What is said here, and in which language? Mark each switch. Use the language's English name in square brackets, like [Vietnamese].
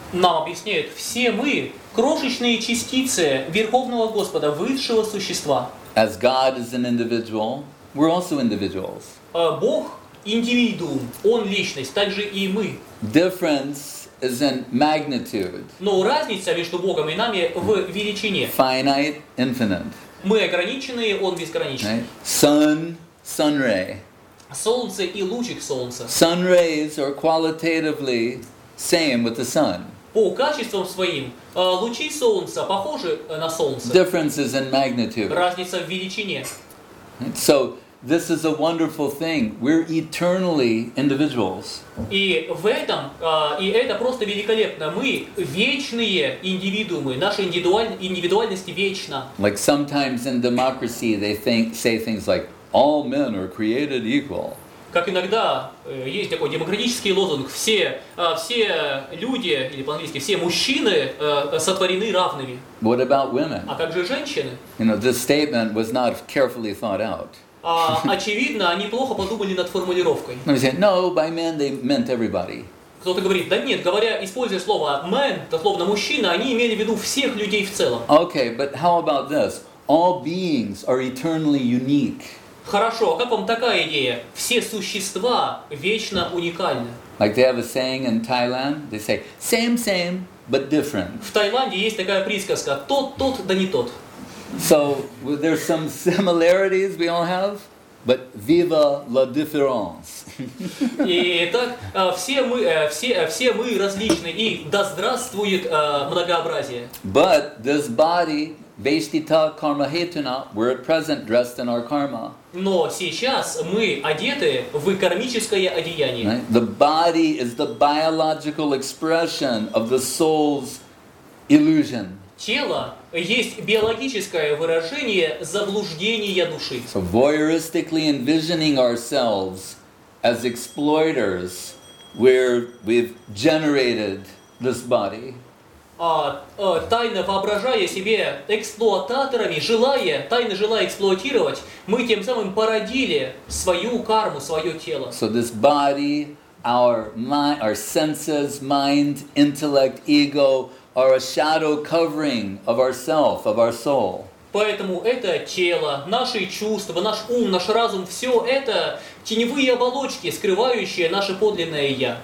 [Russian] Нам объясняют, все мы крошечные частицы Верховного Господа, высшего существа. [English] As God is an individual, we're also individuals. [Russian] Бог индивидуум, он личность, так же и мы. [English] Difference is in magnitude. [Russian] Но разница между Богом и нами в величине. [English] Finite, infinite. [Russian] Мы ограничены, он безграничен. [English] Right? Sun, sun ray. [Russian] Солнце и лучик солнца. [English] Sun rays are qualitatively same with the sun. [Russian] По качествам своим лучи солнца похожи на солнце. [English] Difference is in magnitude. [Russian] Разница в величине. [English] So this is a wonderful thing. We're eternally individuals. [Russian] И в этом и это просто великолепно. Мы вечные индивидуумы. Наша индивидуальность вечна. [English] Like sometimes in democracy, they say things like all men are created equal. [Russian] Как иногда есть такой демократический лозунг: все люди или по-английски все мужчины сотворены равными. [English] What about women? [Russian] А как же женщины? [English] You know, this statement was not carefully thought out. [Russian] Очевидно, они плохо подумали над формулировкой. [English] No, they said, no, by men they meant everybody. [Russian] Кто-то говорит: да нет, говоря, используя слово man, дословно мужчина, они имели в виду всех людей в целом. [English] Okay, but how about this? All beings are eternally unique. [Russian] Хорошо, а как вам такая идея? Все существа вечно уникальны. [English] Like they have a saying in Thailand, they say, same, same, but different. [Russian] В Таиланде есть такая присказка: тот, да не тот. [English] So, there's some similarities we all have, but [Spanish] viva la difference. [Russian] Итак, все мы различны, и да здравствует многообразие. [English] But this body, Vaishtita Karmahetuna, we're at present dressed in our karma. [Russian] Но сейчас мы одеты в кармическое одеяние. [English] Right? The body is the biological expression of the soul's illusion. [Russian] Тело есть биологическое выражение заблуждения души. [English] So voyeuristically envisioning ourselves as exploiters, where we've generated this body. [Russian] Тайно воображая себе эксплуататорами, тайно желая эксплуатировать, мы тем самым породили свою карму, свое тело. [English] So this body, our mind, our senses, mind, intellect, ego are a shadow covering of ourself, of our soul. [Russian] Поэтому это тело, наши чувства, наш ум, наш разум, все это теневые оболочки, скрывающие наше подлинное я.